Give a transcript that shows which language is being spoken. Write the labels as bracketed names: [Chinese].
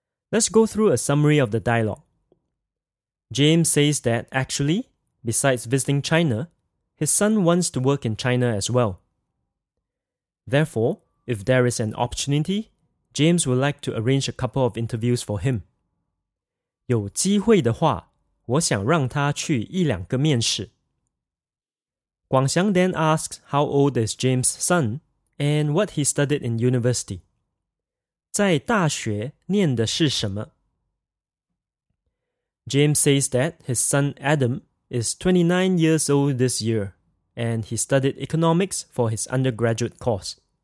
[English] Let's go through a summary of the dialogue. James says that actually, besides visiting China, his son wants to work in China as well. Therefore, if there is an opportunity, James would like to arrange a couple of interviews for him. [Chinese] 有机会的话,我想让他去一两个面试。 [English] 广祥 then asks how old is James' son and what he studied in university. [Chinese] 在大学念的是什么? [English] James says that his son Adam is 29 years old this year and he studied economics for his undergraduate course.